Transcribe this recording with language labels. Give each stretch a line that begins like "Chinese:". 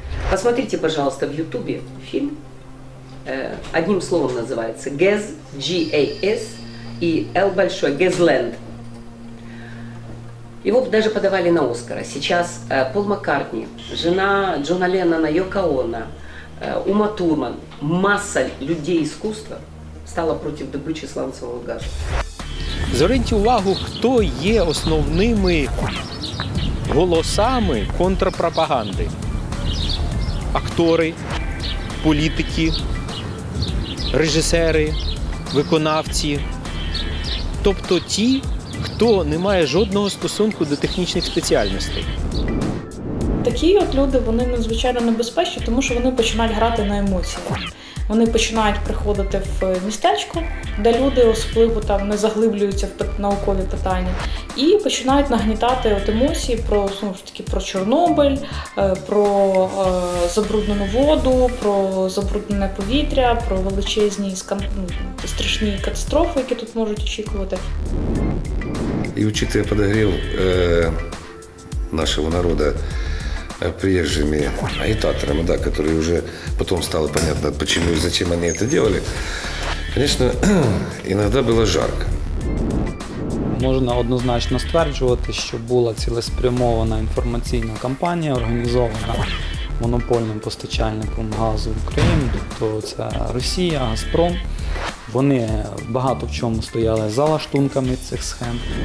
Russian: Посмотрите, пожалуйста, в Ютубе фильм. Одним словом называется ГЭС, G-A-S, и L большой, ГЭЗ-ЛЕНД. Его даже подавали на Оскара. Сейчас Пол Маккартни, жена Джона Леннона, Йоко Оно, Ума Турман, масса людей искусства стала против
Ukrainian: добычі сланцевого газу. Зверніть увагу, хто є основними голосами контрпропаганди. Актори, політики, режисери, виконавці. Тобто ті, хто не має жодного стосунку до технічних спеціальностей. Такі от люди, вони надзвичайно небезпечні, тому що вони починають грати на емоціях. Вони починають приходити в містечко, де люди особливо там не заглиблюються в наукові питання, і починають нагнітати от емоції про, знову ж таки, про Чорнобиль, про забруднену воду, про забруднене повітря, про величезні страшні катастрофи, які тут можуть очікувати.
Russian: І учитывая подогрев нашего народа приезжими агитаторами, да, которые уже потом стало понятно, почему и зачем они это делали. Конечно, иногда было жарко.
Ukrainian: Можна однозначно стверджувати, що була цілеспрямована інформаційна кампанія, організована монопольним постачальником газу в Україні, тобто це Росія, Газпром. Вони багато в чому стояли за лаштунками цих схем.